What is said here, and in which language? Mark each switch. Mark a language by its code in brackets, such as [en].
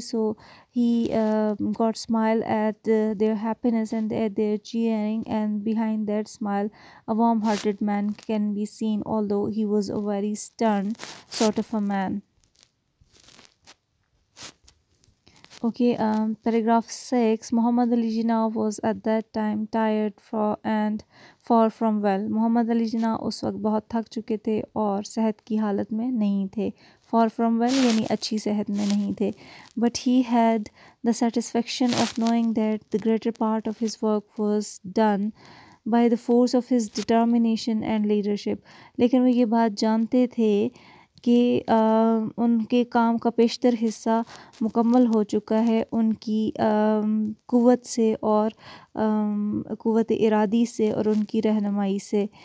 [en] So he got smile at their happiness and at their cheering, and behind that smile a warm-hearted man can be seen, although he was a very stern sort of a man. Okay, paragraph 6. Muhammad Ali Jinnah was at that time tired and far from well. [ur] Muhammad Ali Jinnah اس وقت بہت تھک چکے تھے اور صحت کی حالت میں نہیں تھے. [en] Far from well [ur] یعنی اچھی صحت میں نہیں تھے. [en] But he had the satisfaction of knowing that the greater part of his work was done by the force of his determination and leadership. [ur] لیکن وہ یہ بات جانتے تھے کہ ان کے کام کا بیشتر حصہ مکمل ہو چکا ہے ان کی قوت سے اور قوت ارادی سے اور ان کی رہنمائی سے.